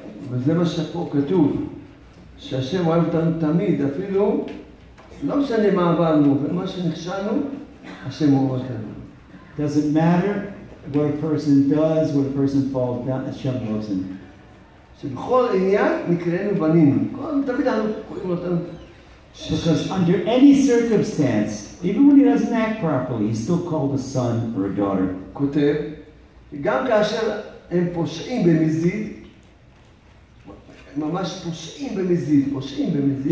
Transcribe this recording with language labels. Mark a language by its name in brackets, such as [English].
[Hebrew] וזה מה שפה כתוב, שהשם אוהב אותנו תמיד, אפילו לא משנה מה עברנו, ומה שנכשלנו, השם אוהב אותנו. [English] Does it matter what a person does, what a person falls down, השם loves him. [Hebrew] שבכל עניין נקראנו בנים. תמיד אנחנו קוראים אותנו. [English] Because under any circumstance, even when he doesn't act properly, he's still called a son or a daughter. [Hebrew] כותב, גם כאשר הם פושעים במזיד, ממש פושעים במזיד, פושעים במזיד.